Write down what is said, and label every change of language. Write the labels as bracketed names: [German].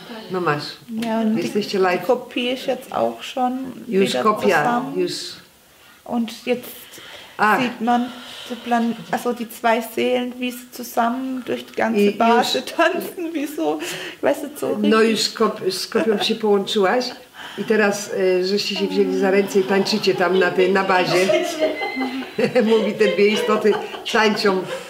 [Polish] No masz. [German] Ja, und [Polish] jesteście live. [German] Die Kopie ist jetzt auch schon [Polish] już [German] wieder [Polish] kopia, [German] zusammen. [Polish] Już. [German] Und jetzt ach, sieht man also die zwei Seelen, wie sie zusammen durch die ganze Barsche tanzen, wie so, ich weiß nicht, so richtig. [Polish] No już z kopią się połączyłaś i teraz, żeście się wzięli za ręce i tańczycie tam na bazie. Mówi, te dwie istoty tańczą.